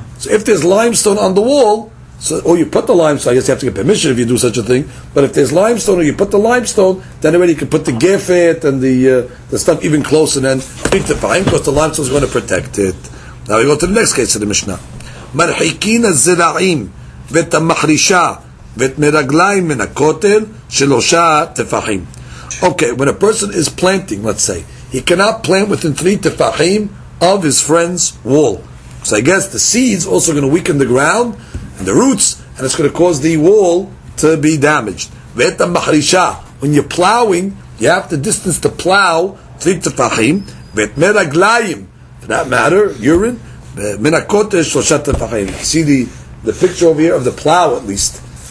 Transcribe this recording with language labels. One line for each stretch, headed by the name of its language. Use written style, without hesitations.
English: So if there's limestone on the wall, so, or you put the limestone, I guess you have to get permission if you do such a thing, but if there's limestone or you put the limestone, then already you can put the gefet and the stuff even closer and keep the fine, because the limestone is going to protect it. Now we go to the next case of the Mishnah.
Hebrew: מרחיקין הזרעים ואת המחרישה ואת מרגליים מן הכותל שלושה תפחים.
English: Okay, when a person is planting, let's say, he cannot plant within three תפחים of his friend's wall. So I guess the seeds also going to weaken the ground and the roots, and it's going to cause the wall to be damaged.
Hebrew: ואת המחרישה,
English: when you're plowing, you have to distance to plow three תפחים
Hebrew: ואת מרגליים,
English: for that matter, urine, see the picture over here of the plow, at least.